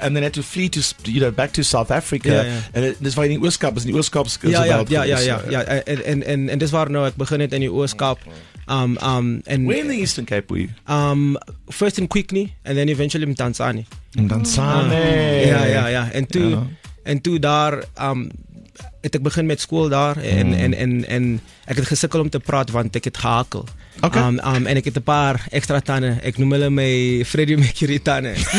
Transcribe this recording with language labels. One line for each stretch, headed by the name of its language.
English: And then had to flee to, you know, back to South Africa. Yeah. And this was in the Ooskaap, and the Ooskaap skills developed. Yeah. And this was now, I began it in the Ooskaap. And where in the Eastern Cape were you? First in Kwikni, and then eventually in Tanzani. In Tanzani. Yeah.
Afrikaans: And to daar, het ek begin met skool daar en ek het gesukkel om te praat, want ek het gehakel.
English: Okay.
Afrikaans: En ek het 'n paar extra tanden. Ek noem hulle my Freddie Mercury tanden.